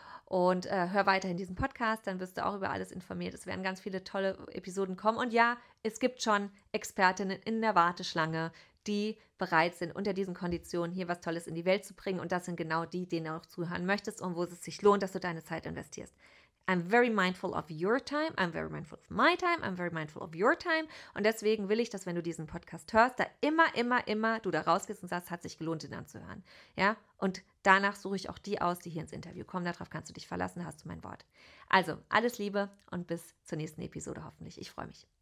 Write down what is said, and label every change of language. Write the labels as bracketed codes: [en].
[de] Und hör weiterhin diesen Podcast, dann wirst du auch über alles informiert. Es werden ganz viele tolle Episoden kommen. Und ja, es gibt schon Expertinnen in der Warteschlange, die bereit sind, unter diesen Konditionen hier was Tolles in die Welt zu bringen. Und das sind genau die, denen du auch zuhören möchtest und wo es sich lohnt, dass du deine Zeit investierst. [en] I'm very mindful of your time. I'm very mindful of my time. I'm very mindful of your time. [de] Und deswegen will ich, dass wenn du diesen Podcast hörst, da immer du da rausgehst und sagst, hat sich gelohnt, ihn anzuhören. Ja? Und danach suche ich auch die aus, die hier ins Interview kommen. Darauf kannst du dich verlassen, da hast du mein Wort. Also, alles Liebe und bis zur nächsten Episode hoffentlich. Ich freue mich.